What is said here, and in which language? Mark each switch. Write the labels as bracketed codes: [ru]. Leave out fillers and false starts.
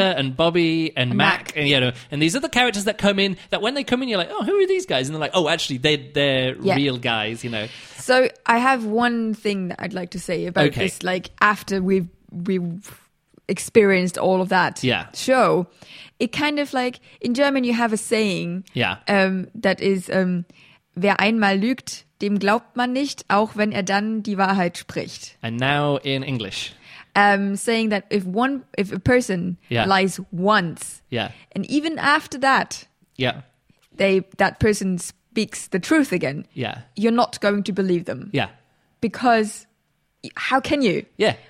[en] and Bobby and Mac. And, you know, and these other characters that come in, that when they come in, you're like, oh, who are these guys? And they're like, oh, actually, they're real guys, you know. So I have one thing that I'd like to say about this, like, after we've experienced all of that show. It kind of like, in German you have a saying that is, [de] wer einmal lügt, dem glaubt man nicht, auch wenn dann die Wahrheit spricht. [en] And now in English. Saying that if a person lies once, and even after that, that person speaks the truth again, you're not going to believe them. Yeah. Because how can you? Yeah.